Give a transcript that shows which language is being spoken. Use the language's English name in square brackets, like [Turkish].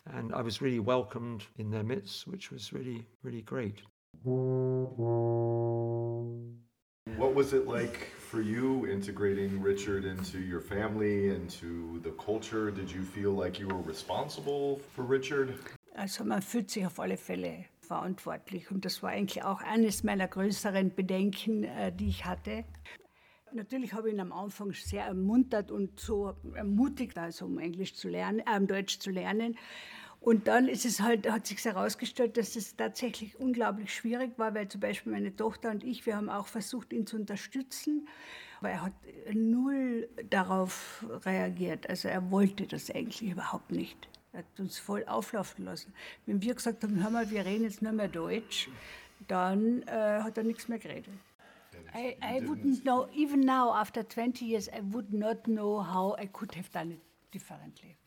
[English] And I was really welcomed in their midst, which was really, really great. What was it like for you integrating Richard into your family, into the culture? Did you feel like you were responsible for Richard? [German] Also man fühlt sich auf alle Fälle verantwortlich. Und das war eigentlich auch eines meiner größeren Bedenken, die ich hatte. Natürlich habe ich ihn am Anfang sehr ermuntert und so ermutigt, also um Englisch zu lernen, Deutsch zu lernen. Und dann ist es halt, hat sich herausgestellt, dass es tatsächlich unglaublich schwierig war, weil zum Beispiel meine Tochter und ich, wir haben auch versucht, ihn zu unterstützen, aber er hat null darauf reagiert. Also er wollte das eigentlich überhaupt nicht. Er hat uns voll auflaufen lassen. Wenn wir gesagt haben, hör mal, wir reden jetzt nicht mehr Deutsch, dann hat er nichts mehr geredet. [English] I wouldn't know, even now, after 20 years, I would not know how I could have done it differently.